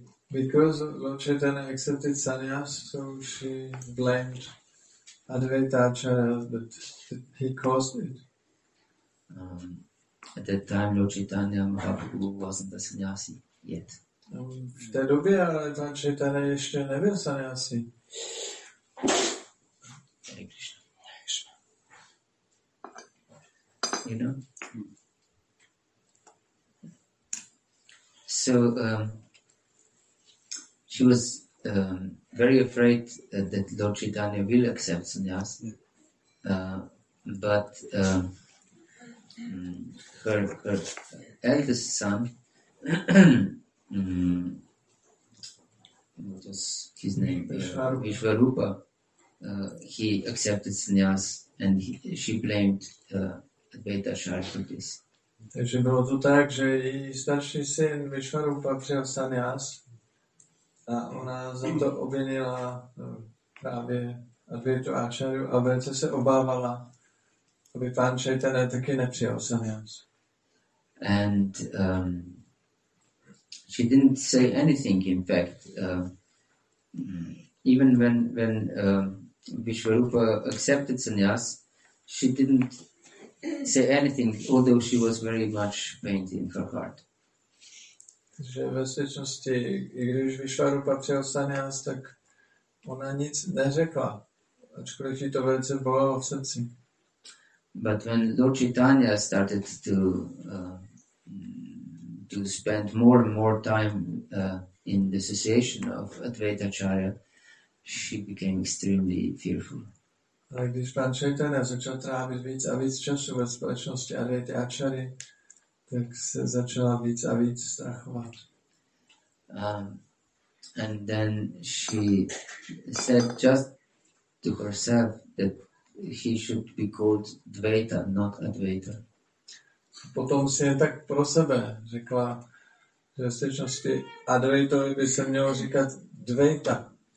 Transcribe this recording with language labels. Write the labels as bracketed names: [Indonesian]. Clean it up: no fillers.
[English] Because Lord Chaitanya accepted sanjas, so she blamed Advaita Acharya, but he caused it. At that time Lord Chaitanya Mahaprabhu wasn't a sanyasi yet. [Czech] V té době ale pan Chaitanya ještě nebyl sanjasi. [English] You know. So she was very afraid that Lord Chaitanya will accept sannyas, but her eldest son, what was his name? Vishwarupa. He accepted sannyas, and she blamed Advaita Acharya for this. [Czech] Takže bylo to tak, že její starší syn Vishwarupa přijal sannyas a ona za to obvinila právě Advaitu Acharyu a velice se obávala, aby pán Chaitanya taky nepřijal sannyas. [English] And she didn't say anything, in fact. Even when Vishwarupa accepted sannyas, she didn't say anything, although she was very much pained in her heart. [Czech] Takže ve skutečnosti, i když Vishwarupa přijal sannyas, tak ona nic neřekla, ačkoliv jí to velice bolelo v srdci. [English] But when Lord Chaitanya started to spend more and more time in the association of Advaita Acharya, she became extremely fearful. [Czech] A když pan Chaitanya začal trávit víc a víc času ve společnosti Advaita Acharya, tak se začala víc a víc strachovat. [English] And then she said just to herself that he should be called Dvaita, not Advaita. [Czech] Potom si jen tak pro sebe řekla, že v skutečnosti Advaitovi by se mělo říkat Dvaita.